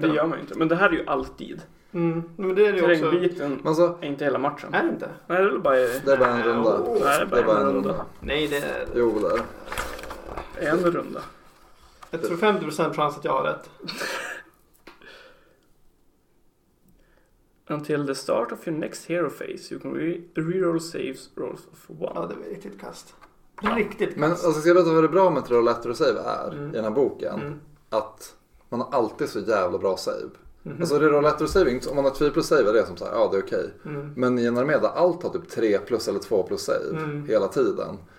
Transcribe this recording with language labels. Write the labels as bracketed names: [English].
[Swedish] Men det gör man inte. Men det här är ju alltid. Mm. Men det är det terrängbiten också. Alltså, är inte hela matchen. Är det inte? Nej, det är bara, det är bara en runda. Oh. Det är bara, det är bara en runda. Nej, det är... Jo, det är. En runda. Jag tror 50% chans att jag har rätt. [English] Until the start of your next hero phase you can reroll saves rolls of one. [Swedish] Ja, det är riktigt kast. Riktigt kast. Men alltså, ska jag veta vad det är bra med att rolla ett och save är i den här boken? Mm. Att man har alltid så jävla bra save. Mm-hmm. Alltså reroll 1 och saving, om man har 2 plus save är det som såhär, ja det är okej. Okay. Mm. Men i en armé där allt har typ 3 plus eller 2 plus save hela tiden.